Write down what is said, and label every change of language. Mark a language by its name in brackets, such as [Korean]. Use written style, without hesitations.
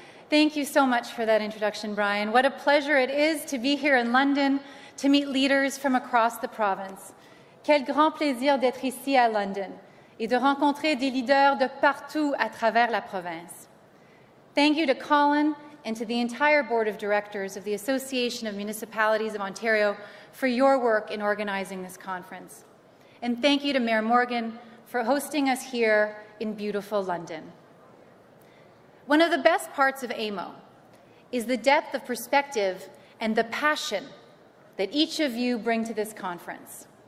[English] Thank you so much for that introduction, Brian. What a pleasure it is to be here in London to meet leaders from across the province. [French] Quel grand plaisir d'être ici à London et de rencontrer des leaders de partout à travers la province. [English] Thank you to Colin and to the entire Board of Directors of the Association of Municipalities of Ontario for your work in organizing this conference. And thank you to Mayor Morgan for hosting us here in beautiful London. One of the best parts of AMO is the depth of perspective and the passion that each of you bring to this conference.